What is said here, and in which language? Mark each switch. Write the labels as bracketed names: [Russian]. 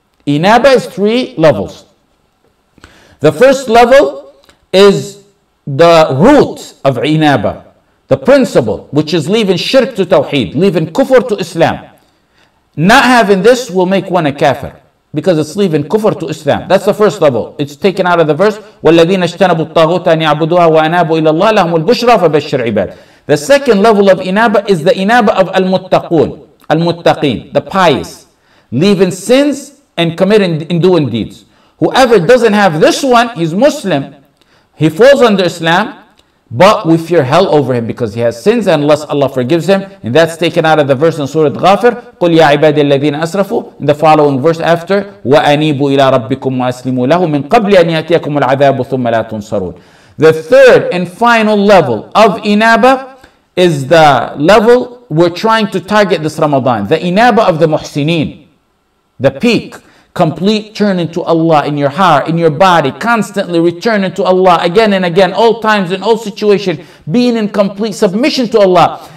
[English] Inaba is three levels. The first level is the root of inaba, the principle, which is leaving shirk to tawheed, leaving kufr to Islam. Not having this will make one a kafir, because it's leaving kufr to Islam. That's the first level. It's taken out of the verse, [Arabic] وَالَّذِينَ اجْتَنَبُوا الطَّاغُوتَ أَنْ يَعْبُدُوهَا وَأَنَابُوا إِلَى اللَّهِ لَهُمُ الْبُشْرَى فَبَشِّرْ عِبَادِ. [English] The second level of inaba is the inaba of al-muttaqun, al-muttaqin, the pious, leaving sins and committing and doing deeds. Whoever doesn't have this one, he's Muslim, he falls under Islam, but we fear hell over him because he has sins, and unless Allah forgives him. And that's taken out of the verse in Surah Ghafir, [Arabic] قُلْ يَا عِبَادِ الَّذِينَ أَسْرَفُوا. [English] In the following verse after, [Arabic] وَأَنِيبُوا إِلَىٰ رَبِّكُمْ وَأَسْلِمُوا لَهُ مِنْ قَبْلِ أَنْ يَأْتِيَكُمُ الْعَذَابُ ثُمَّ لَا تُنْصَرُونَ. [English] The third and final level of inaba is the level we're trying to target this Ramadan. The inaba of the muhsineen, the peak. Complete turning to Allah in your heart, in your body, constantly returning to Allah again and again, all times and all situations, being in complete submission to Allah.